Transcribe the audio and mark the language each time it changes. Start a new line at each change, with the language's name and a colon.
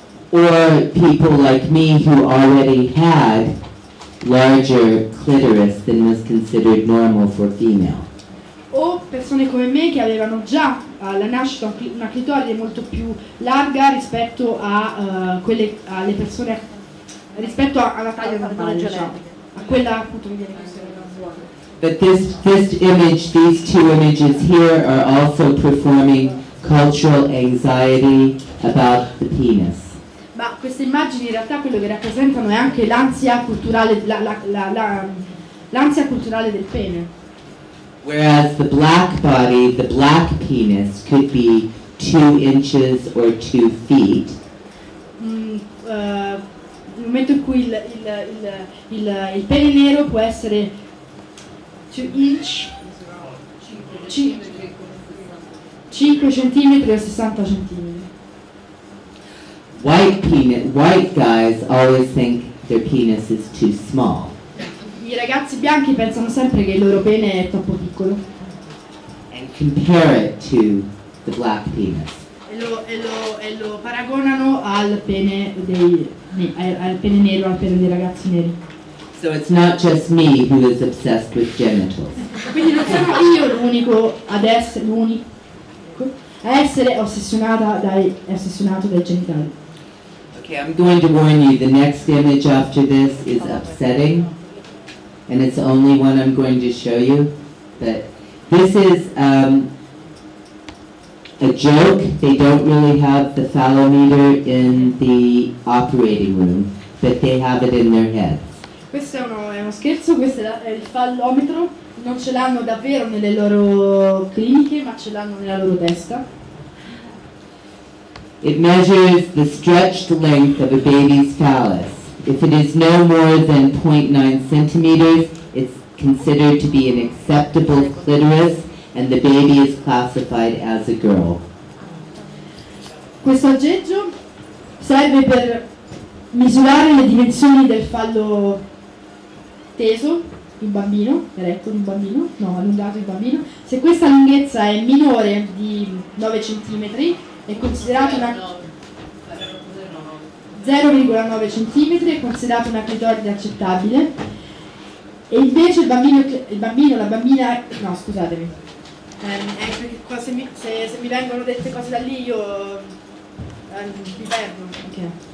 English: Or people like me who already had larger clitoris than was considered normal for female.
Italian: O persone come me che avevano già alla nascita una clitoride molto più larga rispetto a quelle alle persone rispetto alla taglia normale, cioè a quella appunto che viene considerata.
English: But this image, these two images here are also performing cultural anxiety about the penis.
Italian: Ma queste immagini in realtà quello che rappresentano è anche l'ansia culturale del pene.
English: Whereas the black body, the black penis, could be 2 inches or 2 feet.
Italian: Nel momento in cui il pene nero può essere 5 centimetri o 60 centimetri.
English: White guys always think their penis is too small.
Italian: I ragazzi bianchi pensano sempre che il loro pene è troppo piccolo.
English: And compare it to the black penis.
Italian: E lo paragonano al pene nero, al pene dei ragazzi neri.
English: So it's not just me who is obsessed with genitals.
Italian: Quindi non sono io l'unico a essere ossessionato dai genitali.
English: Okay, I'm going to warn you, the next image after this is upsetting. And it's the only one I'm going to show you. that this is a joke. They don't really have the phallometer in the operating room, but they have it in their heads.
Italian: Questo è uno scherzo, questo è il fallometro. Non ce l'hanno davvero nelle loro cliniche, ma ce l'hanno nella loro testa.
English: It measures the stretched length of a baby's phallus. If it is no more than 0.9 centimeters, it's considered to be an acceptable clitoris, and the baby is classified as a girl.
Italian: Questo aggeggio serve per misurare le dimensioni del fallo teso di un bambino, eretto di un bambino, no, allungato di un bambino. Se questa lunghezza è minore di 9 centimetri, è considerata una 0,9 cm è considerato una clitoride accettabile, e invece se mi vengono dette cose da lì io mi perdo.